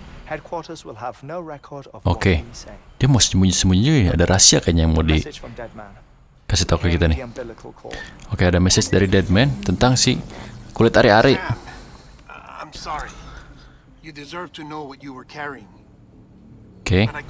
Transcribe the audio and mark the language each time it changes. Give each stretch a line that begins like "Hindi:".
English: Headquarters will have no record of what we say.
Indonesian: Dia mau sembunyi-sembunyi ya, ada rahasia kayaknya yang mau di kasih tahu ke kita nih. Oke, ada message dari Dead Man tentang si kulit ari-ari.
English: I'm sorry. You deserve to know what you were carrying. Oke.